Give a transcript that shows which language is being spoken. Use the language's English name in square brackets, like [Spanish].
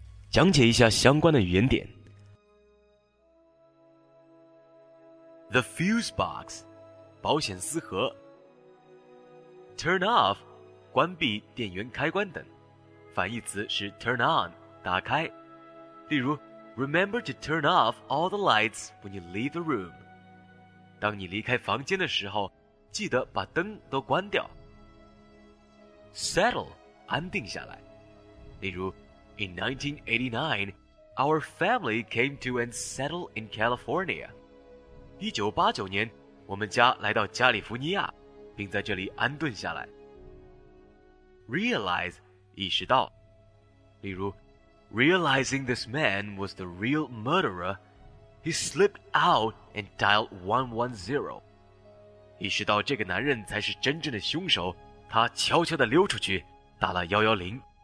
[Chinese] 讲解一下相关的语言点。 [English] The fuse box, [Chinese] 保险丝盒。 [English] Turn off, [Chinese] 关闭电源开关等。反义词是 [English] turn on, [Chinese] 打开。例如 [English] ,remember to turn off all the lights when you leave the room. [Chinese] 当你离开房间的时候，记得把灯都关掉。 Settle, 安定下来。例如 [English] In 1989, our family came to and settled in California. [Chinese] 1989年，我们家来到加利福尼亚，并在这里安顿下来。 Realize, 意识到。例如 [English] ,realizing this man was the real murderer, he slipped out and dialed 110. [Chinese] 意识到这个男人才是真正的凶手，他悄悄地溜出去打了110。